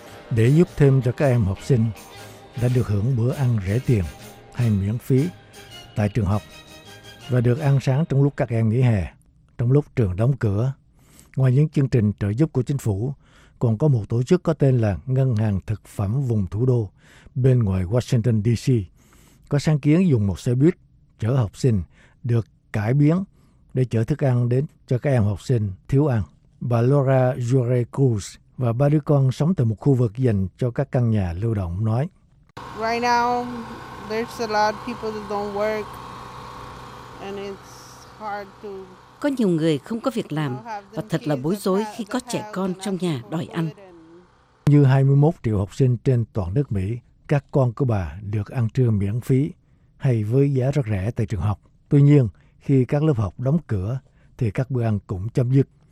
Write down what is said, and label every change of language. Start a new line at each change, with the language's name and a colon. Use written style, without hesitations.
Vietnamese: Để giúp thêm cho các em học sinh đã được hưởng bữa ăn rẻ tiền hay miễn phí tại trường học và được ăn sáng trong lúc các em nghỉ hè, trong lúc trường đóng cửa, ngoài những chương trình trợ giúp của chính phủ, còn có một tổ chức có tên là Ngân hàng Thực phẩm Vùng Thủ đô bên ngoài Washington, D.C. có sáng kiến dùng một xe buýt chở học sinh được cải biến để chở thức ăn đến cho các em học sinh thiếu ăn. Bà Laura Jure Cruz và ba đứa con sống tại một khu vực dành cho các căn nhà lưu động nói.
English: Right now, there's a lot of people that don't work and it's hard to...
Vietnamese: Có nhiều người không có việc làm và thật là bối rối khi có trẻ con trong nhà đòi ăn. Như 21 triệu học sinh trên toàn nước Mỹ, các con của bà được ăn trưa miễn phí hay với giá rất rẻ tại trường học. Tuy nhiên, khi các lớp học đóng cửa thì các bữa ăn cũng chấm dứt.